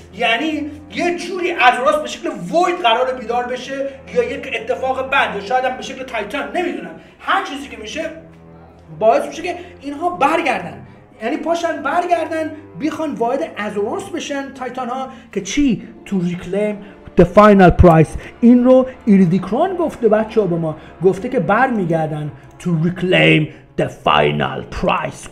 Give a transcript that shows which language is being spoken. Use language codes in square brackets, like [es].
[fa] یعنی یه جوری ازوراس به شکل وید قرار بیدار بشه یا یک اتفاق بعد یا شاید هم به شکل تایتان، نمیدونم، هر چیزی که میشه باعث میشه که اینها برگردن، یعنی پاشن برگردن بیخوان واحد ازوراس بشن تایتان ها. که چی؟ [en] To reclaim the final prize. [fa] این رو ایردیکران گفته بچه ها به ما، گفته که بر میگردن [en] To reclaim the final prize.